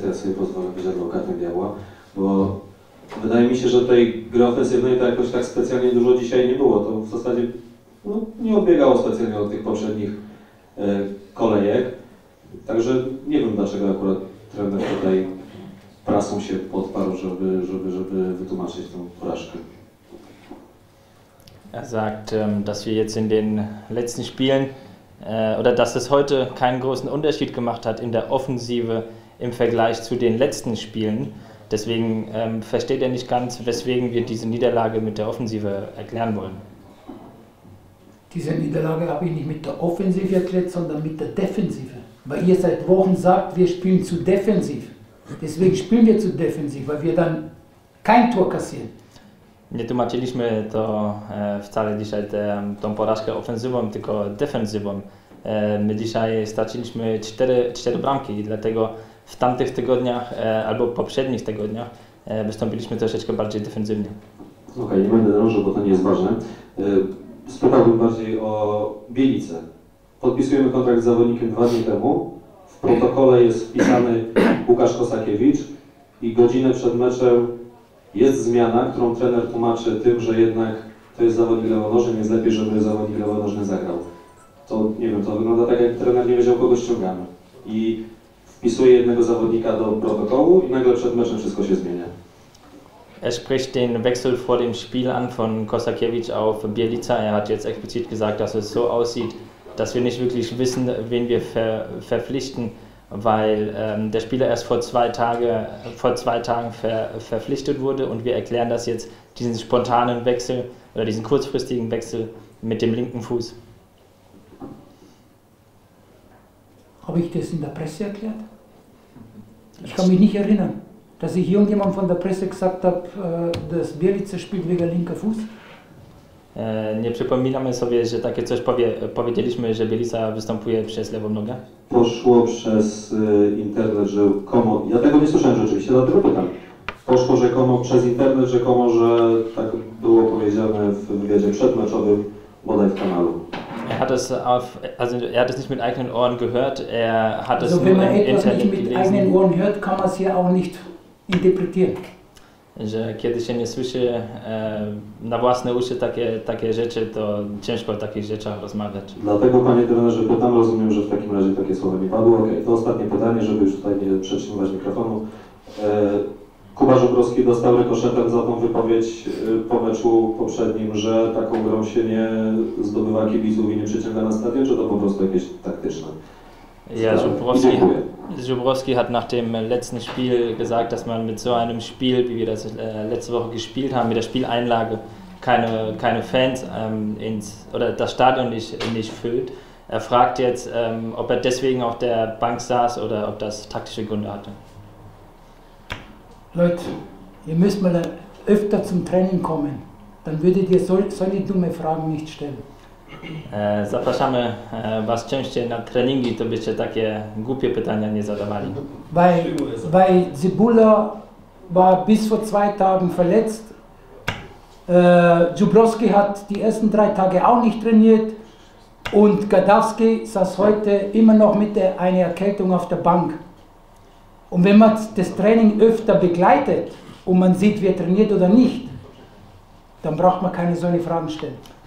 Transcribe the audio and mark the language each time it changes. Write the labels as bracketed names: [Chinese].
[Polish] Teraz sobie pozwolę być adwokatem diabła, bo wydaje mi się, że tej gry ofensywnej to jakoś tak specjalnie dużo dzisiaj nie było. To w zasadzie no, nie obiegało specjalnie od tych poprzednich kolejek. Także nie wiem, dlaczego akurat trener tutaj prasą się podparł, żeby wytłumaczyć tą porażkę. [German] Er sagt, dass wir jetzt in den letzten Spielen oder dass es heute keinen großen Unterschied gemacht hat in der Offensive im Vergleich zu den letzten Spielen. Deswegen versteht er nicht ganz, weswegen wir diese Niederlage mit der Offensive erklären wollen. Diese Niederlage habe ich nicht mit der Offensive erklärt, sondern mit der Defensive. Weil ihr seit Wochen sagt, wir spielen zu defensiv. Deswegen spielen wir zu defensiv, weil wir dann kein Tor kassieren. [Polish] Nie tłumaczyliśmy to wcale dzisiaj tą porażkę ofensywą, tylko defensywą. My dzisiaj straciliśmy cztery bramki i dlatego w tamtych tygodniach albo poprzednich tygodniach wystąpiliśmy troszeczkę bardziej defensywnie. Okej, nie będę dążył, bo to nie jest ważne. Spytałbym bardziej o Bielicę. Podpisujemy kontrakt z zawodnikiem dwa dni temu. W protokole jest wpisany Łukasz Kosakiewicz i godzinę przed meczem jest zmiana, którą trener tłumaczy tym, że jednak to jest zawodnik lewonożny, więc lepiej, żeby zawodnik lewonożny zagrał. To nie wiem, to wygląda tak, jak trener nie wiedział, kogo ściągamy. I wpisuje jednego zawodnika do protokołu i nagle przed meczem wszystko się zmienia. [German] Er spricht den Wechsel vor dem Spiel an von Kosakiewicz auf Bielica. Er hat jetzt explizit gesagt, dass es so aussieht, dass wir nicht wirklich wissen, wen wir verpflichten. Weil der Spieler erst vor zwei Tagen verpflichtet wurde und wir erklären das jetzt, diesen spontanen Wechsel oder diesen kurzfristigen Wechsel mit dem linken Fuß. Habe ich das in der Presse erklärt? Ich kann mich nicht erinnern, dass ich irgendjemand von der Presse gesagt habe, dass Bielica spielt wegen linker Fuß. [Polish] Nie przypominamy sobie, że takie coś powiedzieliśmy, że Bielica występuje przez lewą nogę? Poszło przez internet, że komo. Ja tego nie słyszałem rzeczywiście, dlatego pytam. Poszło rzekomo przez internet, rzekomo, że tak było powiedziane w wywiadzie przedmeczowym, bodaj w kanalu. [German] er hat es auf, also er hat es nicht mit eigenen Ohren gehört, er hat also es nur im Internet gelesen. Also wenn man etwas nicht mit eigenen Ohren hört, kann man es ja auch nicht interpretieren. [Polish] Że kiedy się nie słyszy na własne uszy takie rzeczy, to ciężko o takich rzeczach rozmawiać. Dlatego, panie trenerze, pytam, rozumiem, że w takim razie takie słowa nie padły. Okay. To ostatnie pytanie, żeby już tutaj nie przetrzymywać mikrofonu. Kuba Żubrowski dostał rykoszetem za tą wypowiedź po meczu poprzednim, że taką grą się nie zdobywa kibiców i nie przyciąga na stadion, czy to po prostu jakieś taktyczne? [German] Ja, Żubrowski hat nach dem letzten Spiel gesagt, dass man mit so einem Spiel, wie wir das letzte Woche gespielt haben, mit der Spieleinlage keine Fans ins oder das Stadion nicht füllt. Er fragt jetzt, ob er deswegen auf der Bank saß oder ob das taktische Gründe hatte. Leute, ihr müsst mal öfter zum Training kommen. Dann würdet ihr solche dumme Fragen nicht stellen. [Polish] Zapraszamy was częściej na treningi, to byście takie głupie pytania nie zadawali. [German] Weil Zibula war bis vor zwei Tagen verletzt. Żubrowski hat die ersten drei Tage auch nicht trainiert und Gadowski saß heute immer noch mit einer Erkältung auf der Bank. Und wenn man das Training öfter begleitet und man sieht, wie er trainiert oder nicht, dann braucht man keine solche Fragen stellen.